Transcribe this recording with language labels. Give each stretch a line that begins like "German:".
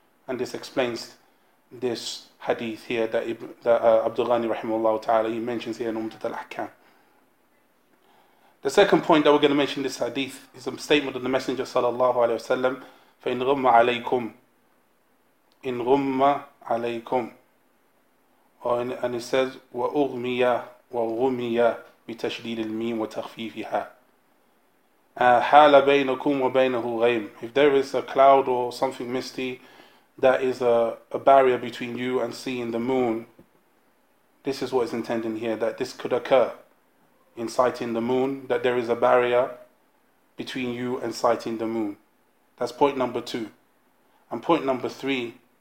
English: And this explains this hadith here that Abdul Ghani rahimahullah ta'ala, he mentions here in Umdat al-Ahkam. The second point that we're going to mention in this hadith is a statement of the Messenger sallallahu alayhi wa sallam,
Arabic: فَإِنْ غُمَّ عَلَيْكُمْ, إِنْ غُمَّ عَلَيْكُمْ.
English: And it says,
Arabic: وَأُغْمِيَا وَغُمِيَا بِتَشْدِيدِ الْمِيمِ وَتَخْفِيفِهَا حَالَ بَيْنَكُمْ وَبَيْنَهُ غَيْمٍ.
English: If there is a cloud or something misty that is a barrier between you and seeing the moon, this is what is intended here, that this could occur in sighting the moon, that there is a barrier between you and sighting the moon. That's point number two. And point number three,